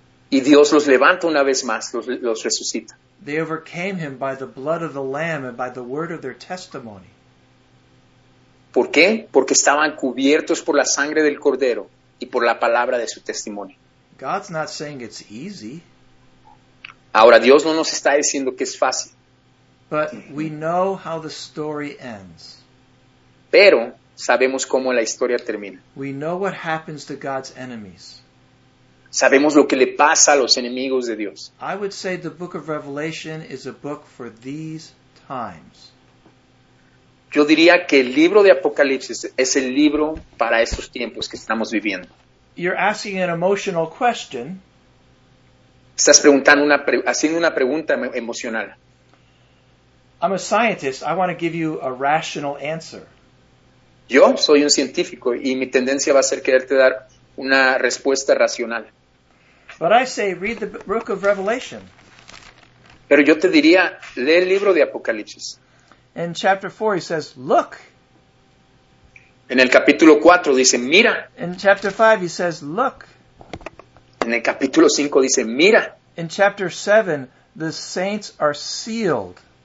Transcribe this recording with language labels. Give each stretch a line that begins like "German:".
Spanish: Y Dios los levanta una vez más, los resucita.
English: They overcame him by the blood of the Lamb and by the word of their testimony.
Spanish: ¿Por qué? Porque estaban cubiertos por la sangre del Cordero y por la palabra de su testimonio.
English: God's not saying it's easy.
Spanish: Ahora, Dios no nos está diciendo que es fácil.
English: But we know how the story ends.
Spanish: Pero sabemos cómo la historia termina.
English: We know what happens to God's enemies.
Spanish: Sabemos lo que le pasa a los enemigos de Dios.
English: I would say the book of Revelation is a book for these times.
Spanish: Yo diría que el libro de Apocalipsis es el libro para estos tiempos que estamos viviendo.
English: You're asking an emotional question.
Spanish: Estás preguntando haciendo una pregunta emocional.
English: I'm a scientist. I want to give you a rational answer.
Spanish: Yo soy un científico y mi tendencia va a ser quererte dar una respuesta racional.
English: But I say, read the book of Revelation.
Spanish: Pero yo te diría, lee el libro de Apocalipsis.
English: In chapter 4, he says, look.
Spanish: En el capítulo 4, dice, mira.
English: In chapter 5, he says, look.
Spanish: En el capítulo 5, dice, mira.
English: In chapter 7, the saints are sealed.